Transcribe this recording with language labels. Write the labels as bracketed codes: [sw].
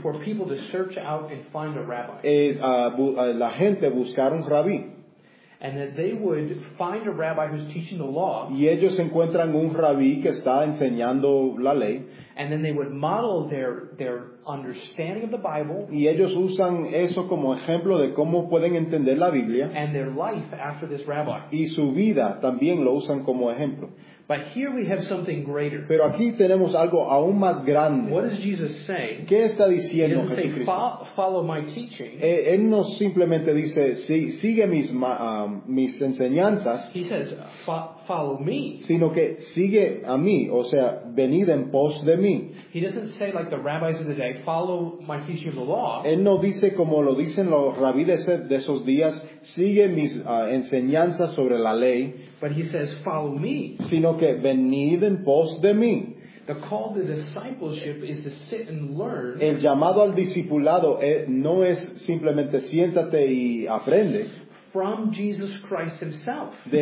[en] For people to search out and find a rabbi. [es] La gente buscar un rabí. [en] and that they would find a rabbi who's teaching the law. [es] Y ellos encuentran un rabí que está enseñando la ley. [en] And then they would model their understanding of the Bible. [es] Y ellos usan eso como ejemplo de cómo pueden entender la Biblia. [en] And their life after this rabbi. [es] Y su vida también lo usan como ejemplo. [en] But here we have something greater. [es] Pero aquí tenemos algo aún más grande. [en] What does Jesus say? [es] ¿Qué está diciendo Jesucristo? [en] Follow my teaching. [es] Él no simplemente dice, sí, sigue mis enseñanzas. [en] He says, follow me. [es] Sino que sigue a mí, o sea, venid en pos de mí. [en] He doesn't say like the rabbis of the day, follow my teaching of the law. [es] Él no dice como lo dicen los rabíes de esos días, sigue mis enseñanzas sobre la ley. [en] But he says, follow me. [es] Sino que venid en pos de mí. [en] The call to discipleship is to sit and learn. [es] El llamado al discipulado no es simplemente siéntate y aprende. [en] From Jesus Christ himself.